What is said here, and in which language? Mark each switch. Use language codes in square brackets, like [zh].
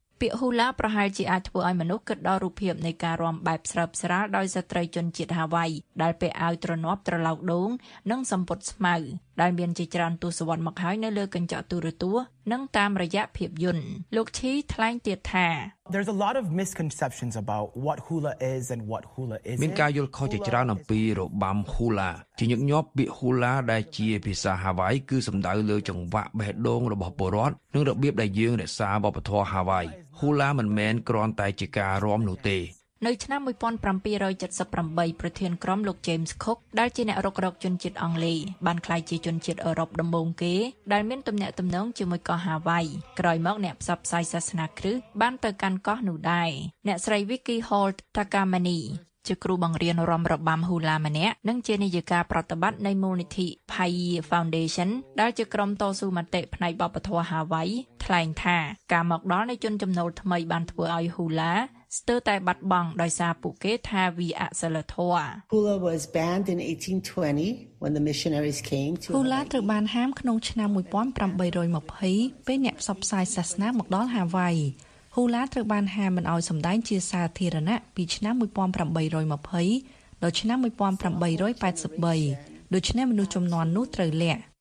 [km] ពាក្យហ៊ូឡាប្រហែលជាអាចធ្វើឲ្យមនុស្សគិតដល់រូបភាពនៃការរាំបែបស្រើបស្រាលដោយស្ត្រីជនជាតិ ហាវ៉ៃដែលពាក់អាវត្រណប់ត្រឡោកដូងនិងសំពត់ស្មៅដែលមានជាច្រើនទស្សវត្សមកហើយនៅលើកញ្ចក់ទូរទស្សន៍និងតាមរយៈភាពយន្តលោកឈីថ្លែងទៀតថា [en] There's a lot of misconceptions about what hula is and what hula isn't [km] មានការយល់ខុសជាច្រើនអំពីរបាំហ៊ូឡាជាញឹកញាប់ពាក្យហ៊ូឡាដែលជាភាសាហាវ៉ៃគឺសំដៅលើចង្វាក់បេះដូងរបស់ពលរដ្ឋនិងរបៀបដែលយើងរក្សាវប្បធម៌ហាវ៉ៃហ៊ូឡាមិនមែនគ្រាន់តែជាការរាំនោះទេ នៅឆ្នាំ1778ប្រធានក្រុមលោក James Cook ដែលជាអ្នករករកជនជាតិអង់គ្លេសបានក្លាយជាជនជាតិអឺរ៉ុបដំបូងគេដែលមានទំនាក់ទំនងជាមួយកោះ Hawaii ក្រោយមកអ្នកផ្សព្វផ្សាយសាសនាគ្រីស្ទបានទៅកាន់កោះនោះដែរអ្នកស្រី Vicky Holt Takamani ជាគ្រូបង្រៀនរាំរបាំហ៊ូឡាម្នាក់និងជានាយិកាប្រតិបត្តិនៃមូលនិធិ Phai Foundation ដែលជាក្រុមតស៊ូមតិផ្នែកវប្បធម៌ Hawaii ថ្លែងថាការមកដល់នៃជនចំណូលថ្មីបានធ្វើឲ្យហ៊ូឡាស្ទើរតែបាត់បង់ដោយសារពួកគេថាវាអសិលធម៌ [en] Hula was banned in 1820 when the missionaries came to [km] Hula ត្រូវបានហាមក្នុងឆ្នាំ1820ពេលអ្នកផ្សព្វផ្សាយសាសនាមកដល់ហាវ៉ៃ Hula ត្រូវបានហាមមិនឲ្យសម្ដែងជាសាធារណៈពីឆ្នាំ1820ដល់ឆ្នាំ1883ដូច្នេះមនុស្សចំនួននោះត្រូវលាក់